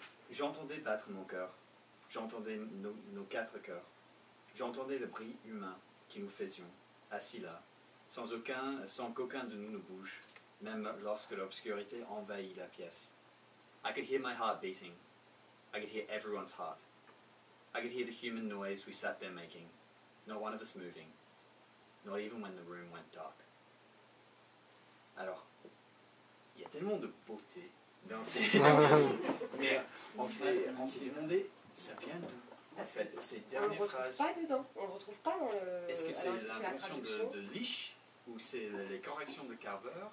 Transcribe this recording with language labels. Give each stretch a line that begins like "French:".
French: J'entendais battre mon cœur. J'entendais nos 4 cœurs. J'entendais le bruit humain qui nous faisions, assis là, sans qu'aucun de nous ne bouge, même lorsque l'obscurité envahit la pièce.
English: I could hear my heart beating. I could hear everyone's heart. I could hear the human noise we sat there making. Not one of us moving. Not even when the room went dark.
French: Alors, il y a tellement de beauté dans ces... Mais on s'est demandé, ça vient d'où? En fait, ces dernières phrases... Pas dedans, on ne retrouve pas dans le... Est-ce que c'est l'invention de Lisch ou c'est les corrections de Carver?